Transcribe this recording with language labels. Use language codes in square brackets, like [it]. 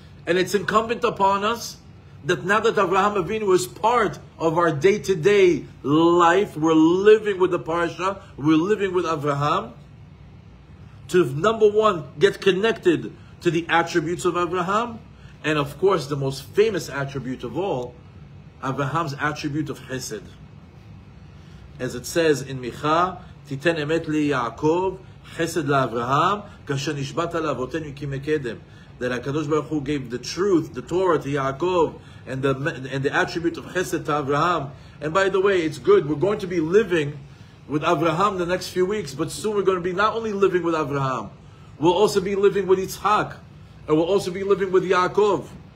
[en] And it's incumbent upon us that now that Avraham Avinu is part of our day-to-day life, we're living with the parasha, we're living with Avraham, to, number one, get connected to the attributes of Avraham, and of course, the most famous attribute of all, Avraham's attribute of Chesed. As it says in Micha, [he] תיתן אמת ליעקב, חסד לאברהם, כאשר נשבעת לאבותינו כי מקדם. [en] That HaKadosh Baruch Hu gave the truth, the Torah to Yaakov, and the attribute of Chesed to Avraham. And by the way, it's good. We're going to be living with Avraham the next few weeks, but soon we're going to be not only living with Avraham, we'll also be living with Yitzhak, and we'll also be living with Yaakov.